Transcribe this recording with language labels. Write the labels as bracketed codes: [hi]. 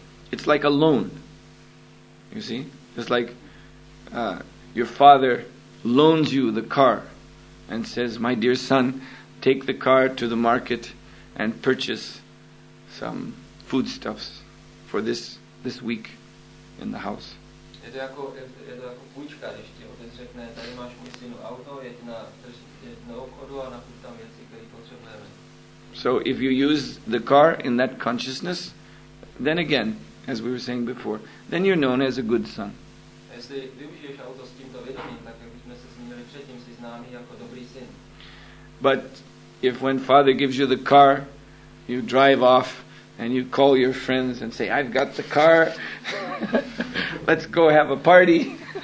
[en] It's like a loan. You see? It's like your father loans you the car and says, my dear son, take the car to the market and purchase some foodstuffs for this week in the house. [cs] Je to jako půjčka, když ti otec řekne, tady máš můj synu auto, jeď na obchodu a nakup tam věci, které potřebujeme. [en] So if you use the car in that consciousness, then again, as we were saying before, then you're known as a good son. [cs] A jestli využiješ auto s tímto vědomím, tak jak bychom se zmínili předtím, jsi známý jako dobrý syn. [en] But if when father gives you the car, you drive off, and you call your friends and say, I've got the car, let's go have a party.